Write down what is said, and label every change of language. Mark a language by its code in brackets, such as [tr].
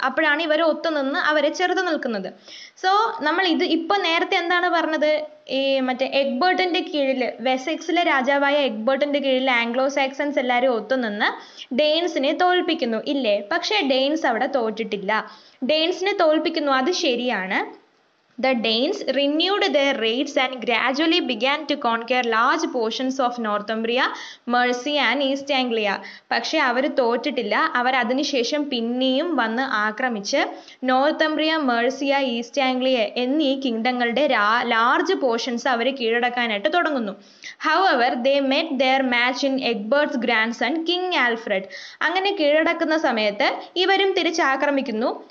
[ml] അപ്പോഴാണ് ഇവർ ഒത്തുനിന്ന് അവരെ ചെറുതു നിൽക്കുന്നത്. സോ നമ്മൾ ഇത് ഇപ്പൊ നേരത്തെ എന്താണ് പറഞ്ഞത്, ഈ മറ്റേ എഗ്ബർട്ടിന്റെ കീഴിൽ, വെസെക്സിലെ രാജാവായ എഗ്ബർട്ടിന്റെ കീഴിൽ ആംഗ്ലോ സാക്സൺസ് എല്ലാവരും ഒത്തുനിന്ന് ഡെയ്ൻസിനെ തോൽപ്പിക്കുന്നു, ഇല്ലേ? പക്ഷേ ഡെയ്ൻസ് അവിടെ തോറ്റിട്ടില്ല. ഡെയ്ൻസിനെ തോൽപ്പിക്കുന്നു, അത് ശരിയാണ്. [en] The Danes renewed their raids and gradually began to conquer large portions of Northumbria, Mercy and East Anglia. [ml] പക്ഷെ അവർ തോറ്റിട്ടില്ല. അവർ അതിനുശേഷം പിന്നെയും വന്ന് ആക്രമിച്ച് നോർത്തംബ്രിയ, മേഴ്സിയ, ഈസ്റ്റ് ആംഗ്ലിയ എന്നീ കിങ്ഡങ്ങളുടെ ലാർജ് പോർഷൻസ് അവർ കീഴടക്കാനായിട്ട് തുടങ്ങുന്നു. [en] However they met their match in Egbert's grandson King Alfred. [ml] അങ്ങനെ കീഴടക്കുന്ന സമയത്ത് ഇവരും തിരിച്ചാക്രമിക്കുന്നു.